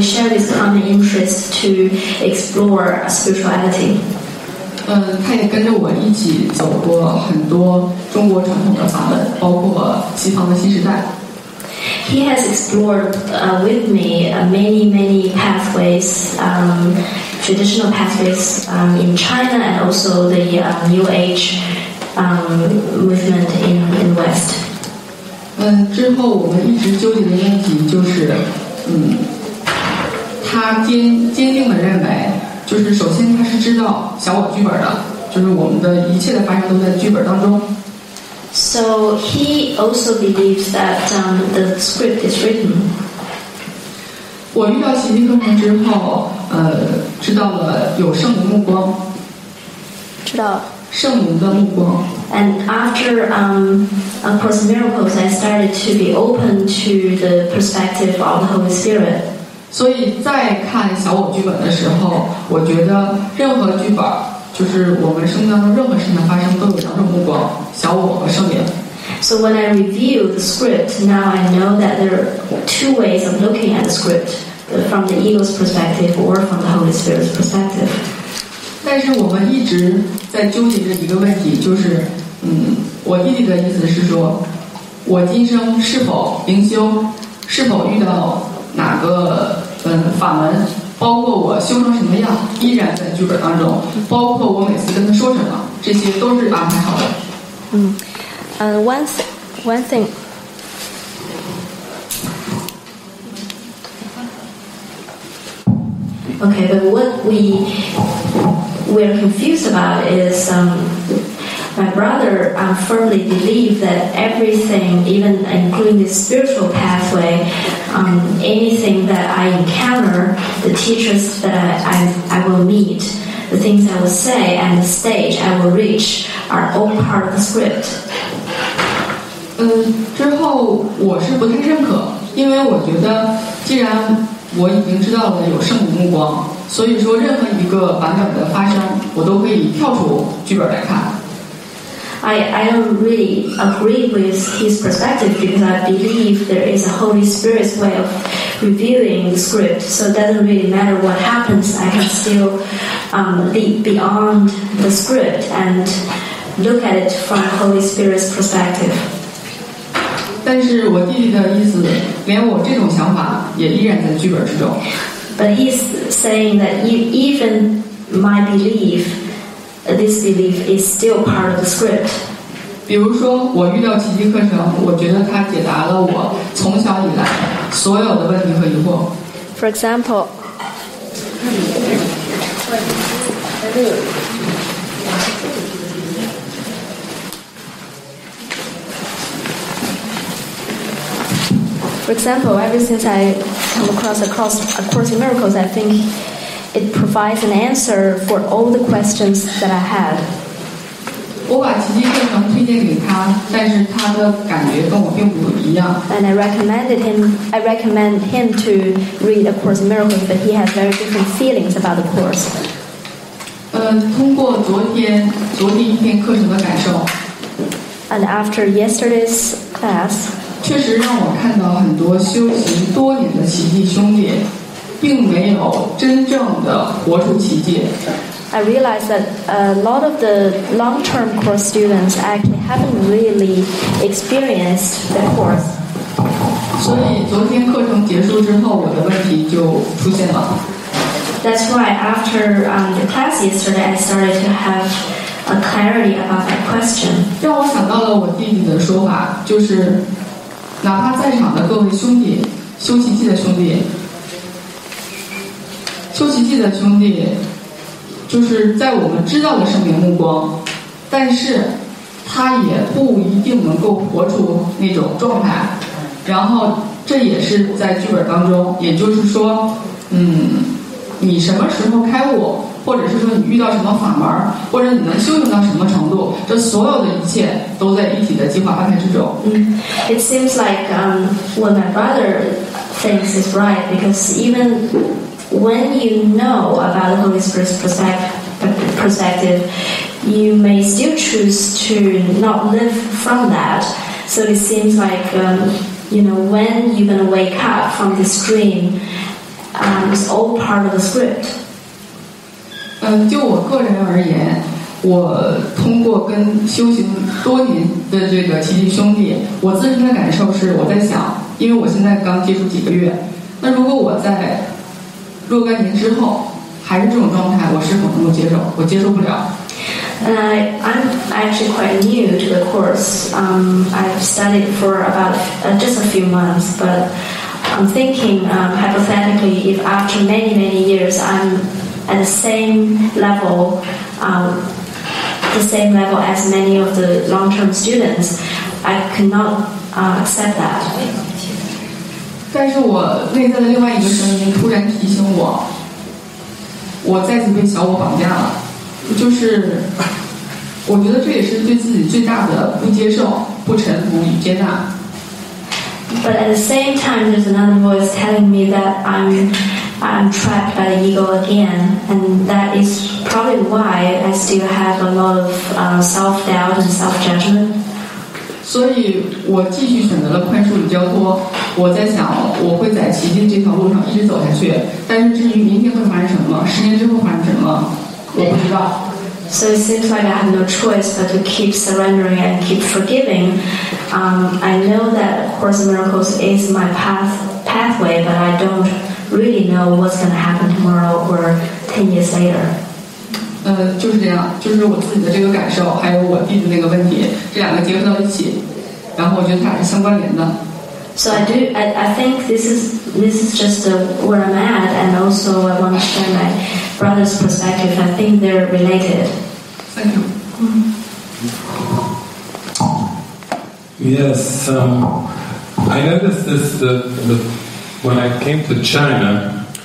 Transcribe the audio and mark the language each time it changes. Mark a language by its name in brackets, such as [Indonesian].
[English] we share this common interest to explore spirituality. [Chinese] 他也跟着我一起走过很多中国传统的法门，包括西方的新时代。 [English] He has explored with me many, many pathways, traditional pathways in China and also the New Age movement in the West. [Chinese] 之后我们一直纠结的问题就是，他坚定地认为，就是首先他是知道小我剧本的，就是我们的一切的发生都在剧本当中。 [English] So he also believes that the script is written. [Chinese] 我遇到行星课程之后，知道了有圣母目光。知道。圣母的目光。 [English] And after of course miracles, I started to be open to the perspective of the Holy Spirit. [Chinese] 所以在看小我剧本的时候，我觉得任何剧本。就是我们生命当中任何事情发生都有两种目光，小我和圣灵。 [English] So when I review the script, now I know that there are two ways of looking at the script, from the ego's perspective or from the Holy Spirit's perspective. [Chinese] 但是我们一直在纠结着一个问题，就是，我弟弟的意思是说，我今生是否灵修，是否遇到哪个法门？包括我修成什么样，依然在剧本当中。包括我每次跟他说什么，这些都是安排好的。 [English] One thing. Okay, but what we're confused about is my brother firmly believes that everything, even including the spiritual pathway, anything that I encounter, the teachers that I will meet, the things I will say, and the stage I will reach are all part of the script. [Chinese] 之后我是不太认可，因为我觉得既然我已经知道了有圣母目光，所以说任何一个版本的发生，我都可以跳出剧本来看。 [English] I don't really agree with his perspective because I believe there is a Holy Spirit's way of reviewing the script, so it doesn't really matter what happens, I can still leap beyond the script and look at it from Holy Spirit's perspective. [Chinese] 但是我弟弟的意思，连我这种想法也依然在剧本之中。 [English] But he's saying that even my belief,this belief is still part of the script. [Chinese] 比如说我遇到奇迹课程，我觉得它解答了我从小以来所有的问题和疑惑。 [English] For example, ever since I come across A Course in Miracles, I thinkIt provides an answer for all the questions that I had. [Chinese] 我把奇迹课程推荐给他，但是他的感觉跟我并不一样。 [English] And I recommend him to read A Course in Miracles, but he has very different feelings about the course. [Chinese] 通过昨天一天课程的感受。 [English] And after yesterday's class, [Chinese] 确实让我看到很多修行多年的奇迹兄弟。并没有真正的活出奇迹。 [English] I realize that a lot of the long-term course students actually haven't really experienced the course. [Chinese] 所以昨天课程结束之后，我的问题就出现了。 [English] That's why after the class yesterday, I started to have a clarity about that question. [Chinese] 让我想到了我弟弟的说法，就是哪怕在场的各位兄弟，修奇迹的兄弟。修奇迹的兄弟，就是在我们知道的圣灵目光，但是他也不一定能够活出那种状态。然后这也是在剧本当中，也就是说，你什么时候开悟，或者是说你遇到什么法门，或者你能修行到什么程度，这所有的一切都在一体的计划安排之中。 [English] It seems like what my brother thinks is right because even. When you know about the Holy Spirit's perspective, you may still choose to not live from that. So it seems like, when you're going to wake up from this dream, is all part of the script. [Chinese] 就我个人而言，我通过跟修行多年的这个奇迹兄弟，我自身的感受是，我在想，因为我现在刚接触几个月，那如果我在若干年之后还是这种状态，我是否能够接受？我接受不了。 [English] I'm actually quite new to the course. I've studied for about just a few months, but I'm thinking hypothetically, if after many many years I'm at the same level, the same level as many of the long-term students, I cannot accept that. [Chinese] 但是我内在的另外一个声音突然提醒我，我再次被小我绑架了。就是我觉得这也是对自己最大的不接受、不臣服与接纳。 [English] But at the same time, there's another voice telling me that I'm trapped by the ego again, and that is probably why I still have a lot of self-doubt and self-judgment. [Chinese] 所以我继续选择了宽恕与交托。我在想，我会在奇迹这条路上一直走下去。但是至于明天会发生什么，十年之后发生什么？ [English] So it seems like I have no choice but to keep surrendering and keep forgiving. I know that Course in Miracles is my pathway, but I don't really know what's going to happen tomorrow or 10 years later. [Chinese] 就是这样，就是我自己的这个感受，还有我弟的那个问题，这两个结合到一起，然后我觉得它是相关联的。 [English] So I think this is just where I'm at, and also I want to share my brother's perspective. I think they're related. Thank you. Yes, I noticed this when I came to China.